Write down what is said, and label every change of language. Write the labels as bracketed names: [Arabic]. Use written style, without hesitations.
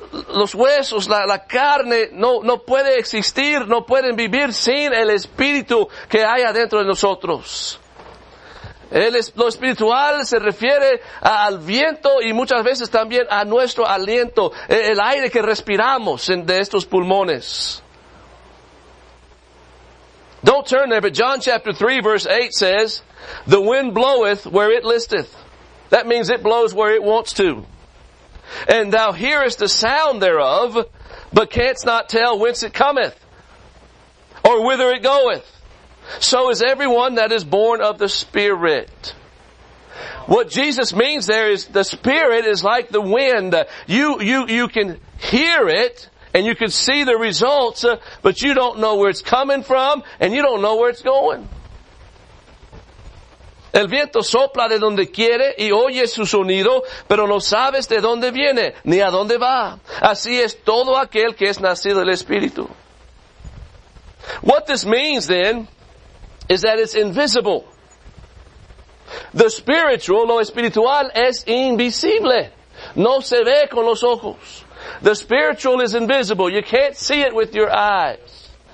[Spanish] Los huesos, la carne, no puede existir, no pueden vivir sin el Espíritu que hay adentro de nosotros. Lo espiritual se refiere al viento y muchas veces también a nuestro aliento, el aire que respiramos de estos pulmones. [English] Don't turn there, but John chapter 3 verse 8 says, the wind bloweth where it listeth. That means it blows where it wants to. And thou hearest the sound thereof, but canst not tell whence it cometh, or whither it goeth. So is everyone that is born of the Spirit. What Jesus means there is the Spirit is like the wind. You can hear it. And you can see the results, but you don't know where it's coming from, and you don't know where it's going. [Spanish] El viento sopla de donde quiere, y oye su sonido, pero no sabes de dónde viene, ni a dónde va. Así es todo aquel que es nacido del Espíritu. [English] What this means, then, is that it's invisible. The spiritual, [Spanish] lo espiritual, es invisible. No se ve con los ojos. [English] The spiritual is invisible. You can't see it with your eyes.